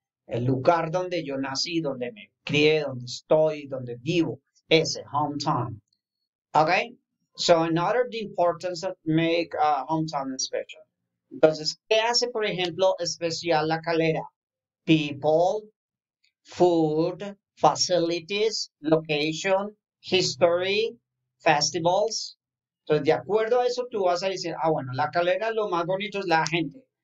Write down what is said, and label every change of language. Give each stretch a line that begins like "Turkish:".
Spanish: El lugar donde yo nací, donde me crié, donde estoy, donde vivo, ese hometown.
English: Okay? So another the importance that make a hometown special.
Spanish: Entonces, ¿qué hace, por ejemplo, especial La Calera?
English: People, food, facilities, location, history, festivals.
Spanish: Entonces, de acuerdo a eso, tú vas a decir, ah, bueno, La Calera lo más bonito es la gente.